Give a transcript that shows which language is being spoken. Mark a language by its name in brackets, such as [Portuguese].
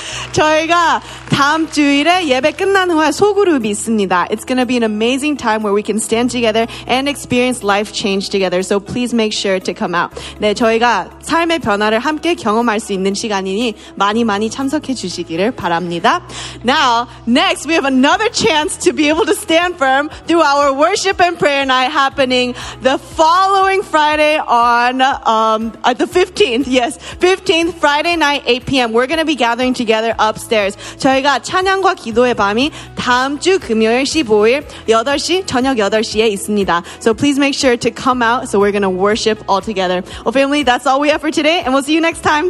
[Korean] 저희가 다음 주일에 예배 끝난 후에 소그룹이 있습니다. [English] It's going to be an amazing time where we can stand together and experience life change together. So please make sure to come out. [Korean] 네, 저희가 삶의 변화를 함께 경험할 수 있는 시간이니 많이 많이 참석해 주시기를 바랍니다. [English] Now, next, we have another chance to be able to stand firm through our worship and prayer night happening the following Friday on the 15th. Yes, 15th, Friday night, 8 p.m. We're going to be gathering together upstairs. [Korean] 저희가 찬양과 기도의 밤이 다음 주 금요일 15일 8시, 저녁 8시에 있습니다. [English] So please make sure to come out so we're going to worship all together. Well, family, that's all we have for today, and we'll see you next time.